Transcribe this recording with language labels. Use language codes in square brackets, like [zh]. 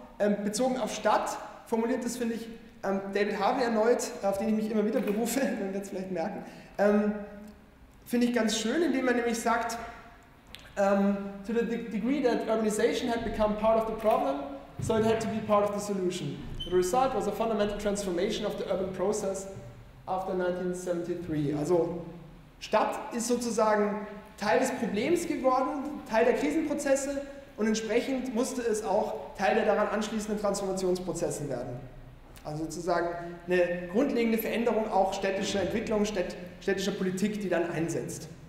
[de] Und bezogen auf Stadt formuliert das, finde ich, David Harvey erneut, auf den ich mich immer wieder berufe, wenn wir jetzt vielleicht merken, finde ich ganz schön, indem er nämlich sagt, [en] to the degree that urbanization had become part of the problem, so it had to be part of the solution. The result was a fundamental transformation of the urban process after 1973. [de] Also Stadt ist sozusagen Teil des Problems geworden, Teil der Krisenprozesse, und entsprechend musste es auch Teil der daran anschließenden Transformationsprozesse werden. Also sozusagen eine grundlegende Veränderung auch städtischer Entwicklung, städtischer Politik, die dann einsetzt.